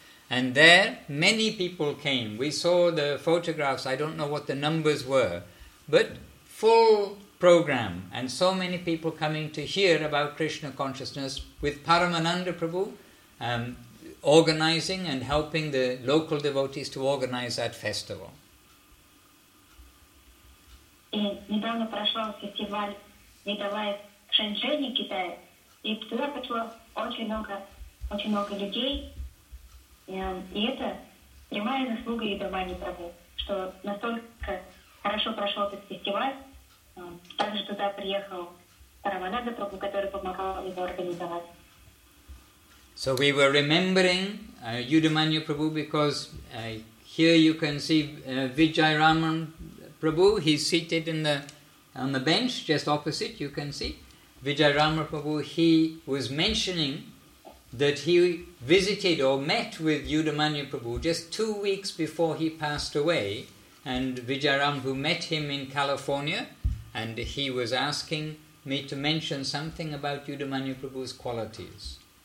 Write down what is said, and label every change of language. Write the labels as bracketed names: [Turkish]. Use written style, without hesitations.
[English] And there, many people came. We saw the photographs, I don't know what the numbers were, but full program, and so many people coming to hear about Krishna consciousness with Paramananda Prabhu organizing and helping the local devotees to organize that festival. And recently there was a festival of Veda Life in Shenzhen, China, and there came a lot of people. [Russian] И это прямая заслуга Ридамани Прабху, что настолько хорошо прошел этот фестиваль, также туда приехал Парамананда Прабху, который помогал его организовать. [English] So we were remembering Yudhamanyu Prabhu because here you can see Vijayaraman Prabhu, he's seated on the bench just opposite, you can see. Vijayaraman Prabhu, he was mentioning that he visited or met with Yudhamanyu Prabhu just 2 weeks before he passed away, and Vijayaram who met him in California, and he was asking me to mention something about Yudhamanyu Prabhu's qualities.